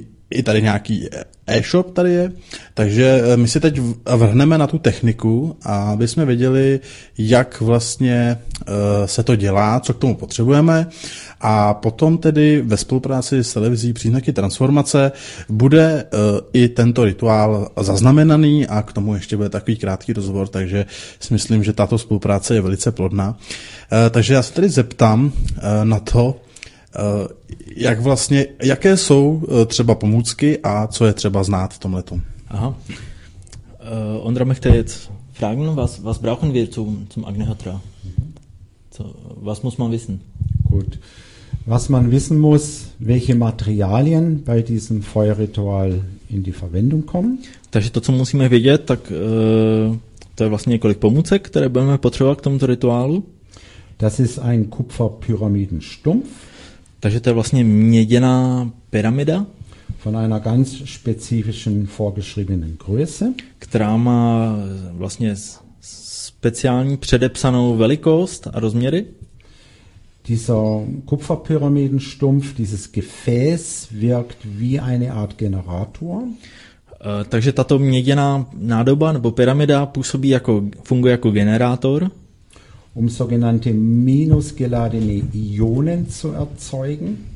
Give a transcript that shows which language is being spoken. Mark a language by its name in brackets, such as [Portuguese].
[Czech] i tady nějaký e-shop tady je, takže my si teď vrhneme na tu techniku, aby jsme věděli, jak vlastně se to dělá, co k tomu potřebujeme, a potom tedy ve spolupráci s televizí Příznaky transformace bude i tento rituál zaznamenaný a k tomu ještě bude takový krátký rozhovor, takže si myslím, že tato spolupráce je velice plodná. Takže já se tady zeptám na to, jak vlastně, jaké jsou třeba pomůcky a co je třeba znát v tomhletu? Aha. [German] Ondra möchte jetzt fragen, was brauchen wir zum Agnihotra? Was muss man wissen? Gut. Was man wissen muss, welche Materialien bei diesem Feuerritual in die Verwendung kommen? [Czech] Takže to, co musíme vědět, tak to je vlastně několik pomůcek, které budeme potřebovat k tomuto rituálu. [German] Das ist ein Kupferpyramidenstumpf. [Czech] Takže to je vlastně měděná pyramida. [German] Von einer ganz spezifischen vorgeschriebenen Größe. [Czech] Která má vlastně speciální předepsanou velikost a rozměry. [German] Dieser Kupferpyramidenstumpf, dieses Gefäß wirkt wie eine Art Generator. [Czech] Takže tato měděná nádoba nebo pyramida působí jako, funguje jako generátor. [German] Um sogenannte minus geladene Ionen zu erzeugen.